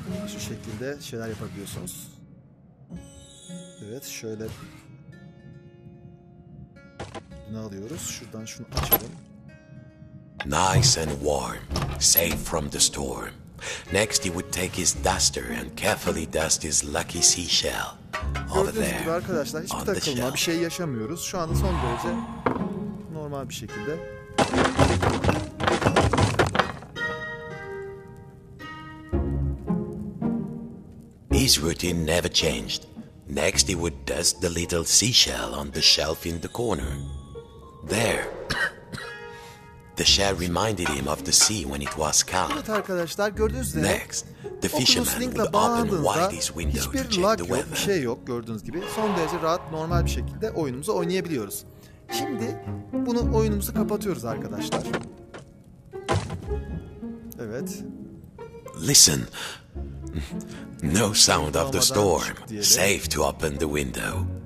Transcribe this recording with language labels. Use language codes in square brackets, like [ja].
[tr] Şu şekilde şeyler yapabiliyorsunuz. Evet, şöyle ne alıyoruz? Şuradan şunu açalım. [en] Nice and warm, safe from the storm. Next, he would take his duster and carefully dust his lucky seashell over there. [tr] Gördüğünüz gibi arkadaşlar, hiçbir takılma, bir şey yaşamıyoruz. Şu anda son derece normal bir şekilde. [en] His routine never changed. Next, he would dust the little seashell on the shelf in the corner. There. The shell reminded him of the sea when it was calm. [tr] Evet arkadaşlar, gördünüz mü? [en] Next, the fisherman would open wide his window to check the weather. [tr] Bir şey yok gördüğünüz gibi. Son derece rahat, normal bir şekilde oyunumuzu oynayabiliyoruz. Şimdi bunu oyunumuzu kapatıyoruz arkadaşlar. Evet. [en] Listen. No sound of the storm. Safe to open the window.